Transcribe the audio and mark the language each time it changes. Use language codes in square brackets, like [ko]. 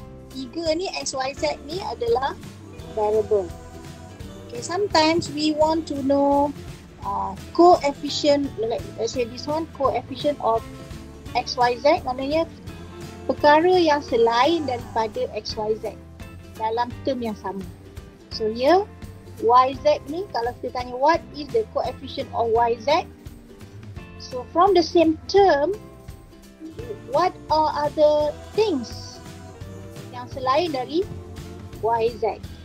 [ms] Tiga ni, x, y, z ni adalah variable. [en] Okay, sometimes we want to know coefficient, let's say this one, coefficient of x, y, z. [ms] Maknanya, perkara yang selain daripada XYZ dalam term yang sama. [en] So here, YZ [ms] ni kalau kita tanya [en] what is the coefficient of YZ? So from the same term, what are other things [ms] yang selain dari [en] YZ?